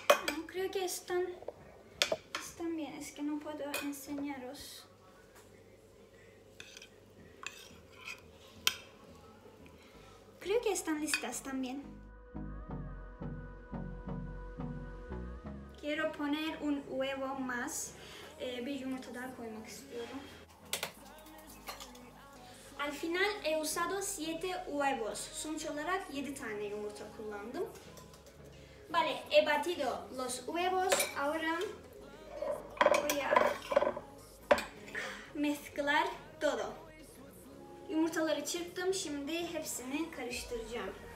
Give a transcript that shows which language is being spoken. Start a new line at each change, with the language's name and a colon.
Spanish: No, creo que están bien, es que no puedo enseñaros. Creo que están listas también. Quiero poner un huevo más.
Turkish: Bir yumurta daha koymak istiyorum.
Spanish: Al final he usado 7 huevos.
Turkish: Sonuç olarak 7 tane yumurta kullandım.
Spanish: Vale, he batido los huevos. Ahora voy a mezclar todo.
Turkish: Yumurtaları çırptım. Şimdi hepsini karıştıracağım.